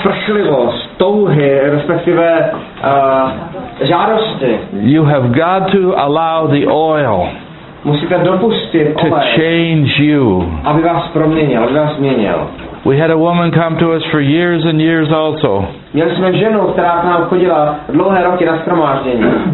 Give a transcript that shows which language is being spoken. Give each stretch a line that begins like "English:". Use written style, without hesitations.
Czech: strašlivost, touhy, respektive žádosti.
English: You have got to allow the oil.
Czech: Musíte dopustit to olej,
English: change you.
Czech: Aby vás proměnil, aby vás změnil.
English: We had a woman come to us for years and years also.
Czech: Měli jsme ženu, která k nám chodila dlouhé roky na shromáždění.